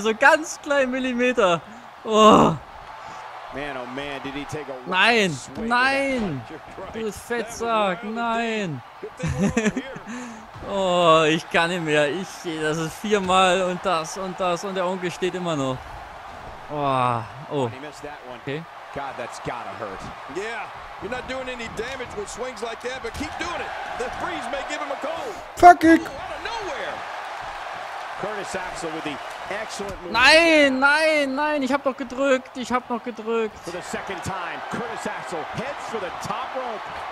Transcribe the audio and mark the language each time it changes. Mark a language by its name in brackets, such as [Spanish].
[German] So ganz klein Millimeter. Oh. [English] Man, oh man, did he take a [German] nein, nein, du Fettsack, nein. Oh, ich kann nicht mehr. Ich, das ist viermal und das und das und der Onkel steht immer noch. [English] Oh, oh. Okay. God, that's gotta hurt. Yeah, you're not doing any damage with swings like that, but keep doing it. The freeze may give him a cold. Fuck it. Out of nowhere. Curtis Axel with the excellent move. [German] Nein, nein, nein, ich hab noch gedrückt, ich hab noch gedrückt. [English] For the second time, Curtis Axel heads for the top rope.